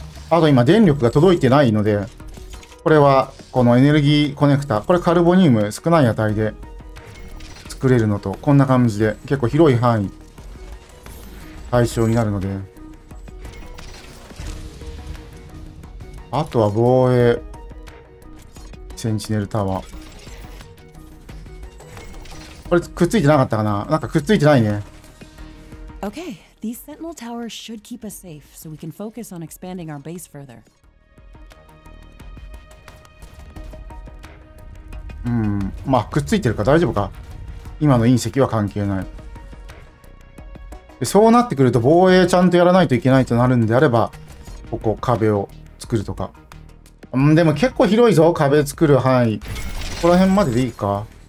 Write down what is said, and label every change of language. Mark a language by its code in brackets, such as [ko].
[ja] あと今電力が届いてないので、これはこのエネルギーコネクタ、これカルボニウム少ない値で作れるのと、こんな感じで結構広い範囲対象になるので、あとは防衛、センチネルタワー、これくっついてなかったかな？なんかくっついてないね。 [en] Okay. These sentinel towers should keep us safe, so we can focus on expanding our base further. [ja] まあくっついてるか大丈夫か？今の隕石は関係ない。そうなってくると防衛ちゃんとやらないといけないとなるんであれば、ここ壁を作るとか。でも結構広いぞ、壁作る範囲。ここら辺まででいいか？